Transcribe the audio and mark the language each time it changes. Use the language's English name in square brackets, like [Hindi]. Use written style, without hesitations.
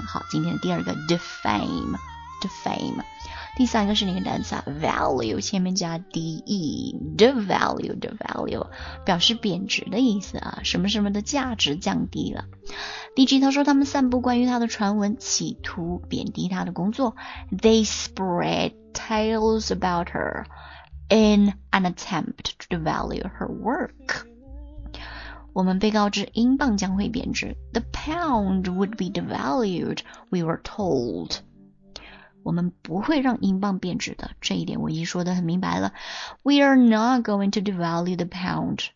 [Chinese] 好，今天的第二个 defame, defame。第三个是哪个单词啊？value, 前面加 de, devalue, devalue, 表示贬值的意思啊，什么什么的价值降低了。 DG 他说他们散布关于他的传闻，企图贬低他的工作。 [English] They spread tales about her in an attempt to devalue her work. [Chinese] 我们被告知英镑将会贬值。 [English] The pound would be devalued, we were told. [Chinese] 我们不会让英镑贬值的，这一点我已经说得很明白了。 [English] We are not going to devalue the pound.